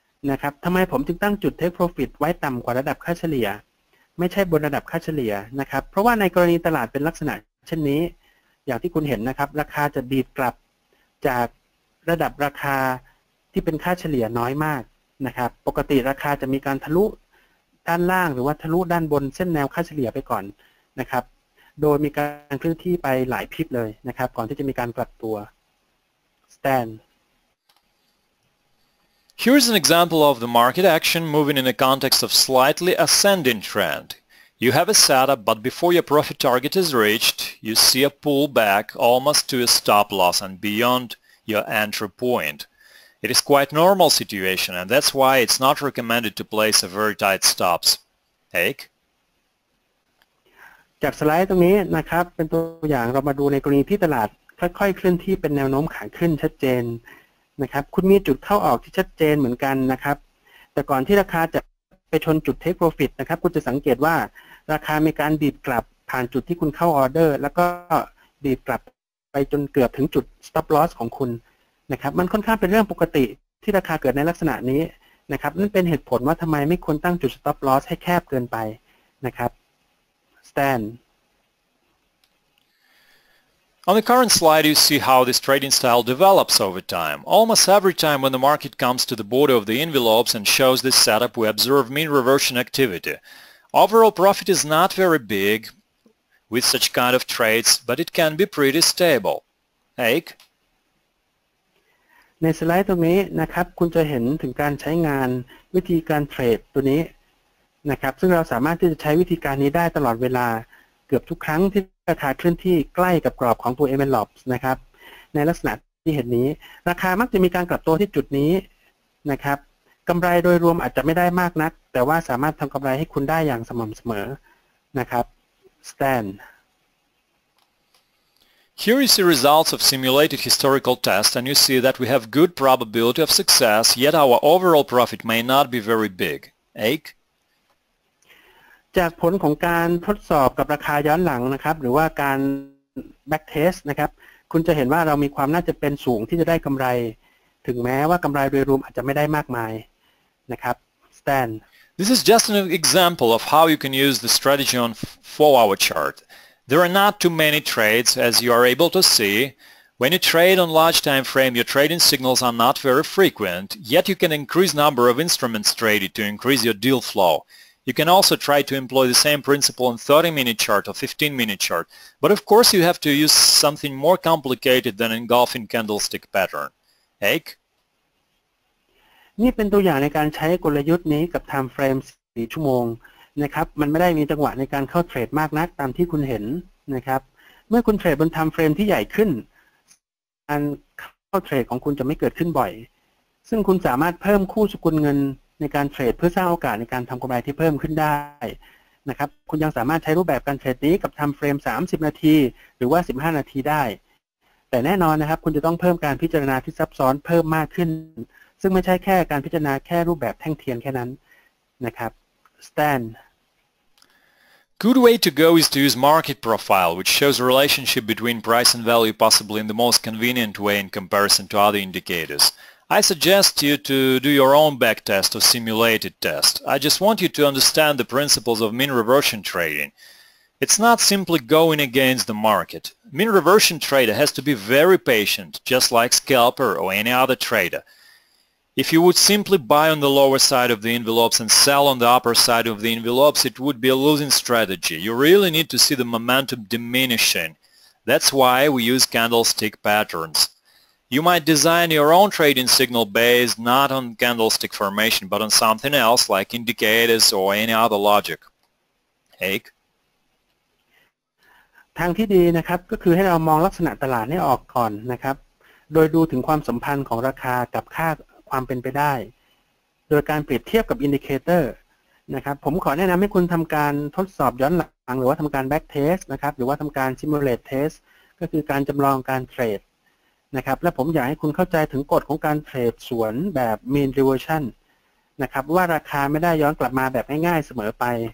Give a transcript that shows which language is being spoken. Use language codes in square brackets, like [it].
[th] นะครับทำไมผมจึงตั้งจุดเทคโปรฟิตไว้ต่ำกว่าระดับค่าเฉลี่ยไม่ใช่บนระดับค่าเฉลี่ยนะครับเพราะว่าในกรณีตลาดเป็นลักษณะเช่นนี้อย่างที่คุณเห็นนะครับราคาจะดีดกลับจากระดับราคาที่เป็นค่าเฉลี่ยน้อยมากนะครับปกติราคาจะมีการทะลุด้านล่างหรือว่าทะลุด้านบนเส้นแนวค่าเฉลี่ยไปก่อนนะครับโดยมีการเคลื่อนที่ไปหลายพิปเลยนะครับก่อนที่จะมีการกลับตัว stand [en] Here's an example of the market action moving in the context of slightly ascending trend. You have a setup but before your profit target is reached, you see a pullback almost to a stop loss and beyond your entry point. It is quite normal situation and that's why it's not recommended to place a very tight stops. Eric? [th] จากสไลด์ตรงนี้นะครับเป็นตัวอย่างเรามาดูในกรณีที่ตลาดค่อยๆเคลื่อนที่เป็นแนวโน้มขาขึ้นชัดเจนนะครับคุณมีจุดเข้าออกที่ชัดเจนเหมือนกันนะครับแต่ก่อนที่ราคาจะไปชนจุดเทคโปรฟิตนะครับคุณจะสังเกตว่าราคามีการบีบกลับผ่านจุดที่คุณเข้าออเดอร์แล้วก็บีบกลับไปจนเกือบถึงจุดสต็อปลอสของคุณนะครับมันค่อนข้างเป็นเรื่องปกติที่ราคาเกิดในลักษณะนี้นะครับนั่นเป็นเหตุผลว่าทำไมไม่ควรตั้งจุดสต็อปลอสให้แคบเกินไปนะครับ [en] On the current slide, you see how this trading style develops over time. Almost every time when the market comes to the border of the envelopes and shows this setup, we observe mean reversion activity. Overall profit is not very big with such kind of trades, but it can be pretty stable. Eric? [th] ในสไลด์ตรงนี้นะครับคุณจะเห็นถึงการใช้งานวิธีการเทรดตัวนี้นะครับซึ่งเราสามารถที่จะใช้วิธีการนี้ได้ตลอดเวลาเกือบทุกครั้งที่ราคาเคลื่อนที่ใกล้กับกรอบของตัว envelopes นะครับในลักษณะที่เห็นนี้ราคามักจะมีการกลับตัวที่จุดนี้นะครับกำไรโดยรวมอาจจะไม่ได้มากนักแต่ว่าสามารถทำกำไรให้คุณได้อย่างสม่ำเสมอนะครับ stand [en] Here is the results of simulated historical test and you see that we have good probability of success yet our overall profit may not be very big Ake? [th] จากผลของการทดสอบกับราคาย้อนหลังนะครับหรือว่าการ back test นะครับคุณจะเห็นว่าเรามีความน่าจะเป็นสูงที่จะได้กำไรถึงแม้ว่ากำไรโดยรวมอาจจะไม่ได้มากมายนะครับ stand [en] This is just an example of how you can use the strategy on 4-hour chart. There are not too many trades as you are able to see. When you trade on large time frame, your trading signals are not very frequent, yet you can increase number of instruments traded to increase your deal flow. You can also try to employ the same principle on 30-minute chart or 15-minute chart, but of course you have to use something more complicated than engulfing candlestick pattern. Eric? [th] นี่เป็นตัวอย่างในการใช้กลยุทธ์นี้กับ time frame 4ชั่วโมงนะครับมันไม่ได้มีจังหวะในการเข้าเทรดมากนักตามที่คุณเห็นนะครับเมื่อคุณเทรดบน time frame ที่ใหญ่ขึ้น การเข้าเทรดของคุณจะไม่เกิดขึ้นบ่อยซึ่งคุณสามารถเพิ่มคู่สกุลเงินในการเทรดเพื่อสร้างโอกาสในการทำกำไรที่เพิ่มขึ้นได้นะครับคุณยังสามารถใช้รูปแบบการเทรดนี้กับทำเฟรม30นาทีหรือว่า15นาทีได้แต่แน่นอนนะครับคุณจะต้องเพิ่มการพิจารณาที่ซับซ้อนเพิ่มมากขึ้นซึ่งไม่ใช่แค่การพิจารณาแค่รูปแบบแท่งเทียนแค่นั้นนะครับ Stand [en] Good way to go is to use market profile which shows a relationship between price and value possibly in the most convenient way in comparison to other indicatorsI suggest you to do your own back test or simulated test. I just want you to understand the principles of mean reversion trading. It's not simply going against the market. Mean reversion trader has to be very patient, just like scalper or any other trader. If you would simply buy on the lower side of the envelopes and sell on the upper side of the envelopes, it would be a losing strategy. You really need to see the momentum diminishing. That's why we use candlestick patterns. You might design your own trading signal based not on candlestick formation, but on something else like indicators or any other logic. Hake? [th] ทางที่ดีนะครับก็คือให้เรามองลักษณะตลาดนี่ออกก่อนนะครับโดยดูถึงความสัมพันธ์ของราคากับค่าความเป็นไปได้โดยการเปรียบเทียบกับอินดิเคเตอร์นะครับผมขอแนะนำให้คุณทำการทดสอบย้อนหลังหรือว่าทำการแบ็กเทสนะครับหรือว่าทำการซิมูเลตเทสก็คือการจำลองการเทรดนะครับและผมอยากให้คุณเข้าใจถึงกฎของการเทรดสวนแบบ mean reversion นะครับว่าราคาไม่ได้ย้อนกลับมาแบบง่ายๆเสมอไป